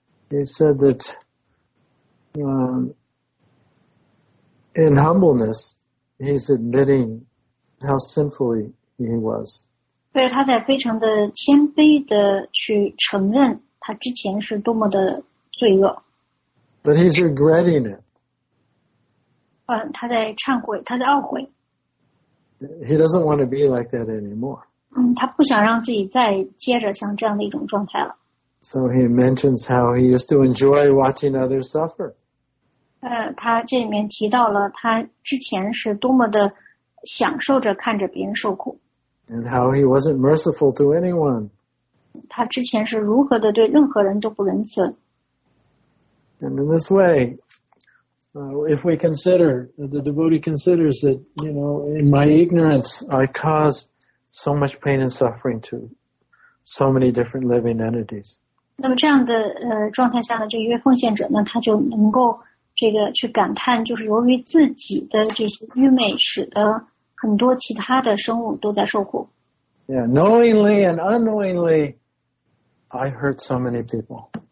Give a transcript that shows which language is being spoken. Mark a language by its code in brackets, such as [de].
[en] He said that, in humbleness, he's admitting how sinful he was. [zh] 对，他在非常的谦卑的去承认他之前是多么的罪恶。 [en] But he's regretting it. [zh] 他在忏悔，他在懊悔。 [en] He doesn't want to be like that anymore. [zh] 他不想让自己再接着像这样的一种状态了。 [en] So he mentions how he used to enjoy watching others suffer. [zh] 他这里面提到了他之前是多么的享受着看着别人受苦。 [en] And how he wasn't merciful to anyone. [zh] 他之前是如何的对任何人都不仁慈。 [en] And in this way,if we consider, the devotee considers that, you know, in my ignorance, I caused... so much pain and suffering to so many different living entities. [zh] 那么这样的状态下呢，这一位奉献者呢，他就能够这个去感叹，就是由于自己的这些愚昧，使得很多其他的生物都在受苦。 [en] Yeah, knowingly and unknowingly, I hurt so many people.